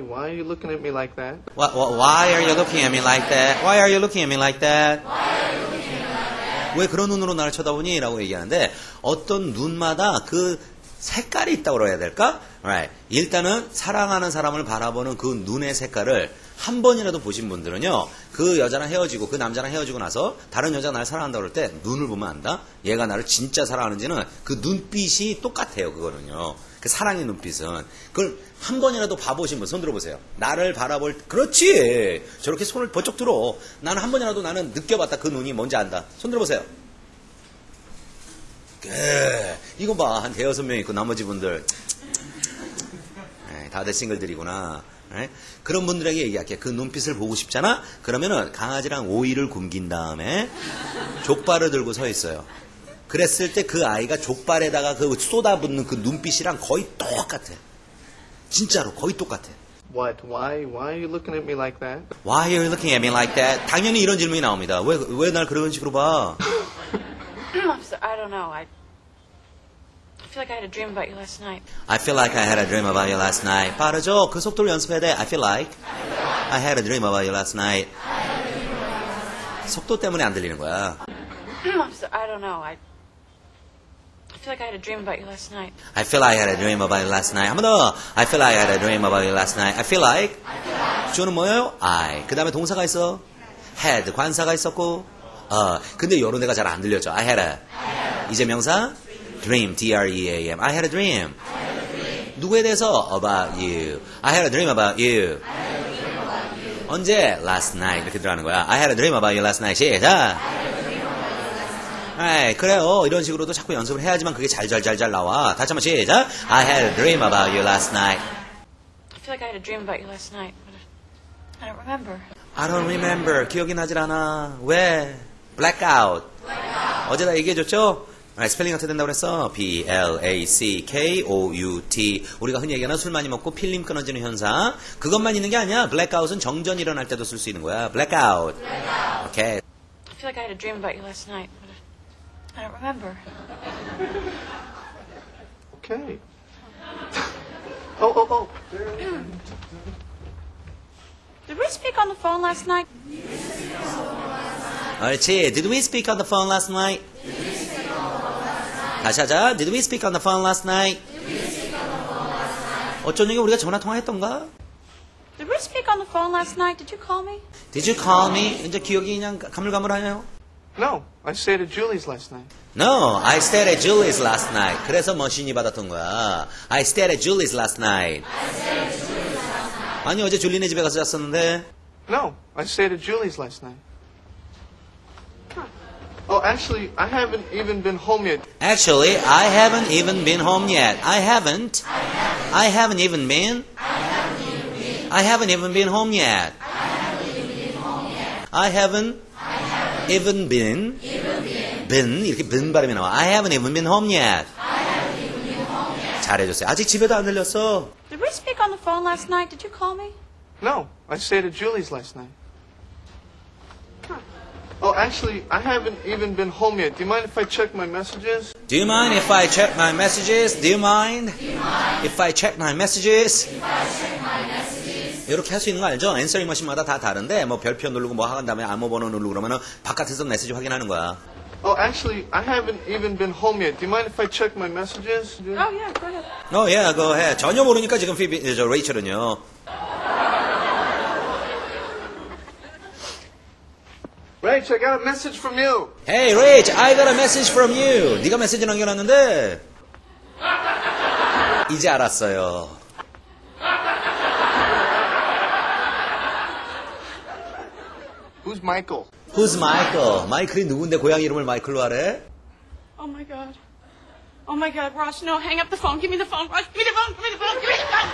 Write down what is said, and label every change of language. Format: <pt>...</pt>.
<en>Why are you looking at me like that? What? Why are you looking at me like that? Why are you looking at me like that? Why are you looking at me like that?</en> <ko>왜 그런 눈으로 나를 쳐다보니? 라고 얘기하는데 어떤 눈마다 그 색깔이 있다고 해야 될까?</ko> <en>Right.</en> <ko>일단은 사랑하는 사람을 바라보는 그 눈의 색깔을 한 번이라도 보신 분들은요, 그 여자랑 헤어지고 그 남자랑 헤어지고 나서 다른 여자가 나를 사랑한다 그럴 때 눈을 보면 안다? 얘가 나를 진짜 사랑하는지는 그 눈빛이 똑같아요, 그거는요. 그 사랑의 눈빛은. 그걸 한 번이라도 봐보신 분, 손 들어보세요. 나를 바라볼, 그렇지! 저렇게 손을 번쩍 들어. 나는 한 번이라도 나는 느껴봤다. 그 눈이 뭔지 안다. 손 들어보세요. 이거 봐. 한 대여섯 명 있고 나머지 분들. 다들 싱글들이구나. 네? 그런 분들에게 얘기할게. 그 눈빛을 보고 싶잖아? 그러면은 강아지랑 오이를 굶긴 다음에 족발을 들고 서 있어요. 그랬을 때 그 아이가 족발에다가 그 쏟아붓는 그 눈빛이랑 거의 똑같아. 진짜로 거의 똑같아.</ko> <en>What? Why are you looking at me like that? Why are you looking at me like that?</en> <ko>당연히 이런 질문이 나옵니다. 왜 날 그런 식으로 봐?</ko> <en>I'm sorry. I don't know. I feel like I had a dream about you last night. I feel like I had a dream about you last night.</en> <ko>빠르죠? 그 속도로 연습해야 돼.</ko> <en>I feel like I had a dream about you last night.</en> <ko>속도 때문에 안 들리는 거야.</ko> <en>I don't know. I feel like I had a dream about you last night. I feel like I had a dream about you last night.</en> <ko>한 번 더.</ko> <en>I feel like I had a dream about you last night. I feel like.</en> <ko>주어는 뭐예요? I. 그 다음에 동사가 있어. Had. 관사가 있었고. 근데 이런 데가 잘 안 들렸죠.</ko> <en>I had a.</en> <ko>이제 명사.</ko> <en>Dream. D-R-E-A-M. I had a dream. I had a dream.</en> <ko>누구에 대해서?</ko> <en>About you. I had a dream about you. I had a dream about you.</en> <ko>언제?</ko> <en>Last night.</en> <ko>이렇게 들어가는 거야.</ko> <en>I had a dream about you last night.</en> <ko>시작. 에이, 그래요. 이런 식으로도 자꾸 연습을 해야지만 그게 잘 나와. 다시 한번 시작.</ko> <en>I had a dream about you last night. I feel like I had a dream about you last night, but I don't remember. I don't remember.</en> <ko>기억이 나질 않아. 왜?</ko> <en>Blackout. Blackout.</en> <ko>어제 다 얘기해줬죠? 스펠링 어떻게 된다고 그랬어? B-L-A-C-K-O-U-T. 우리가 흔히 얘기하는 술 많이 먹고 필름 끊어지는 현상. 그것만 있는 게 아니야. Blackout은 정전 일어날 때도 쓸 수 있는 거야. Blackout.</ko> <en>Blackout. Okay. I feel like I had a dream about you last night. I don't remember. Okay. Oh. Did we speak on the phone last night? Alright, did we speak on the phone last night? Did we speak on the phone last night?</en> <ko>다시 하자.</ko> <en>Did we speak on the phone last night? Did we speak on the phone last night?</en> <ko>어쩌는 게 우리가 전화 통화했던가?</ko> <en>Did we speak on the phone last night? Did you call me? Did you call me?</en> <ko>이제 기억이 그냥 가물가물하네요.</ko> <en>No, I stayed at Julie's last night. No, I stayed at Julie's last night.</en> <ko>그래서 머신이 받았던 거야.</ko> <en>I stayed at Julie's last night. I stayed at Julie's last night.</en> <ko>아니, 어제 줄리네 집에 가서 잤었는데.</ko> <en>No, I stayed at Julie's last night. Oh, actually, I haven't even been home yet. Actually, I haven't even been home yet. I haven't. I haven't. I haven't even been. I haven't even been. I haven't even been home yet. I haven't even been home yet. I haven't. Even been, even been,</en> <ko>이렇게 been 발음이 나와.</ko> <en>I haven't even been home yet. I haven't even been home yet.</en> <ko>잘해줬어요. 아직 집에도 안 들렸어.</ko> <en>Did we speak on the phone last night? Did you call me? No, I stayed at Julie's last night. Oh, actually, I haven't even been home yet. Do you mind if I check my messages? Do you mind if I check my messages? Do you mind if I check my messages? If I check my messages?</en> <ko>이렇게 할 수 있는 거 알죠? 엔서링 머신마다 다 다른데 뭐 별표 누르고 뭐 한 다음에 암호번호 누르고 그러면 바깥에서 메시지 확인하는 거야.</ko> <en>Oh, actually, I haven't even been home yet. Do you mind if I check my messages? Oh, yeah, go ahead. Oh, yeah, go ahead.</en> <ko>전혀 모르니까 지금 피비, 저 레이첼은요.</ko> <en>Rach, I got a message from you. Hey, Rach, I got a message from you.</en> <ko>네가 메시지 남겨놨는데. 이제 알았어요.</ko> <en>Who's Michael? Who's Michael?</en> <ko>마이클이 누군데 고양이 이름을 마이클로 하래?</ko> <en>Oh my god. Oh my god, Ross, no, hang up the phone. Give me the phone, Ross. Give me the phone, give me the phone, give me the phone.</en>